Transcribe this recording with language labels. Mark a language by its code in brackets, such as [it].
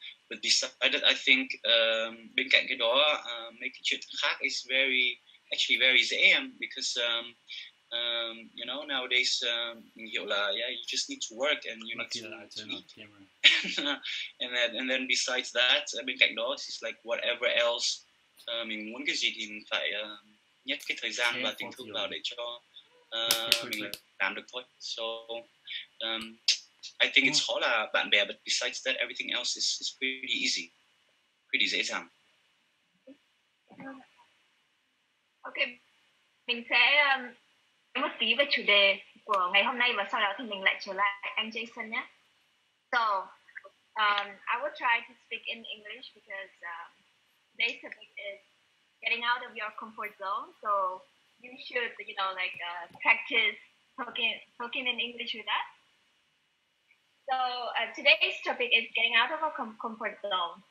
[en] But besides that, I think [vi] bên cạnh cái đó, mấy cái chuyện khác [en] is very, actually very [vi] dễ em, [en] because you know, nowadays [vi] mình hiểu là [en] yeah, you just need to work and you lucky need to, that I turn to eat. and then besides that, [vi] bên cạnh đó, [en] it's like whatever else [vi] mình muốn cái gì thì mình phải nhét cái thời gian và tình thương vào để cho mình làm được thôi. [en] So I think it's [vi] khó là bạn bè, [en] but besides that, everything else is pretty easy, pretty [vi] dễ dàng. Ok, mình sẽ nói một tí về chủ đề của ngày hôm nay và sau đó thì mình lại trở lại anh Jason nhé. [en] So, I will try to speak in English because today's topic is getting out of your comfort zone. So, you should, you know, like practice talking in English with us. So today's topic is getting out of a comfort zone.